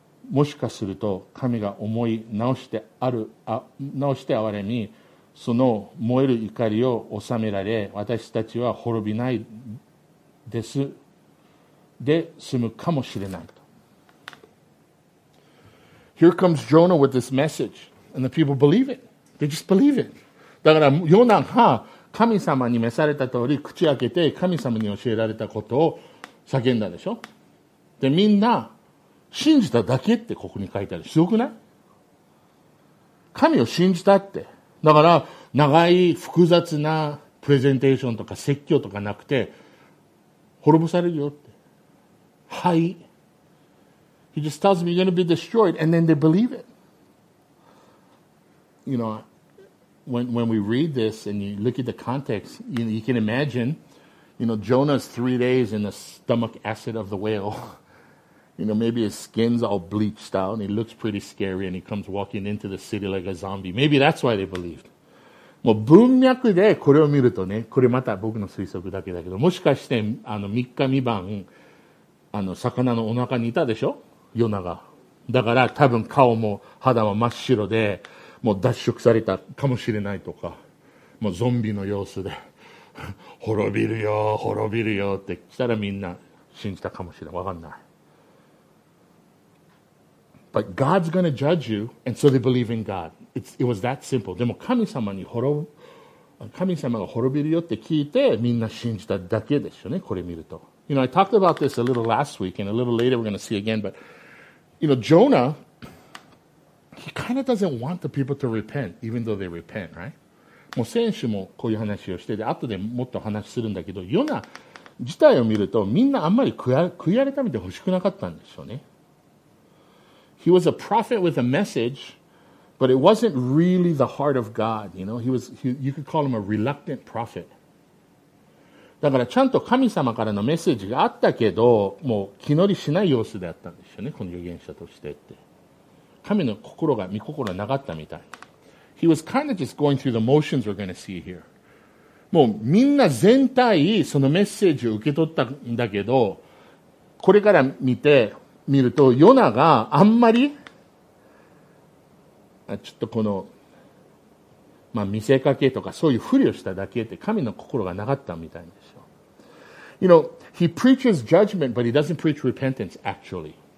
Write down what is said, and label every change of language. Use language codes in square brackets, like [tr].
[ja] もしかすると、神が思い直して憐れみ、その燃える怒りを収められ、私たちは滅びないです。で済むかもしれないと。 [en] Here comes Jonah with this message, and the people believe it. They just believe it. [ja] だからヨナが神様に召された通り口開けて神様に教えられたことを叫んだでしょ。でみんな信じただけってここに書いてある。すごくない？神を信じたって。だから長い複雑なプレゼンテーションとか説教とかなくて滅ぼされるよって。はい。 [en] He just tells them you're going to be destroyed and then they believe it. You know, when we read this and you look at the context, you can imagine, you know, Jonah's 3 days in the stomach acid of the whale. You know, maybe his skin's all bleached out and he looks pretty scary and he comes walking into the city like a zombie. Maybe that's why they believed. [ja] もう文脈でこれを見るとね、これまた僕の推測だけだけど、もしかして3日2晩、魚のお腹にいたでしょ、ヨナが。だから多分顔も肌も真っ白でもう脱色されたかもしれないとか、もうゾンビの様子で滅びるよ滅びるよって来たらみんな信じたかもしれない、わかんない。 [en] But God's going to judge you and so they believe in God. It was that simple. [ja] でも神様が滅びるよって聞いてみんな信じただけでしょうね、これ見ると。 [en] You know, I talked about this a little last week, and a little later we're going to see again, but, you know, Jonah, he kind of doesn't want the people to repent, even though they repent, right? [ja] もう先週もこういう話をして、で、後でもっと話するんだけど、ヨナ自体を見ると、みんなあんまり悔い改めてほしくなかったんでしょうね。 [en] He was a prophet with a message, but it wasn't really the heart of God, you know? You could call him a reluctant prophet. [ja] だからちゃんと神様からのメッセージがあったけど、もう気乗りしない様子であったんですよね、この預言者としてって。神の心が、見心なかったみたい。 [en] He was kind of just going through the motions we're going to see here. [ja] もうみんな全体そのメッセージを受け取ったんだけど、これから見てみると、ヨナがあんまり、ちょっとこの、まあ、見せかけとかそういうふりをしただけって神の心がなかったみたいでしょ。 [en] You know, he preaches judgment, but he doesn't preach repentance, actually.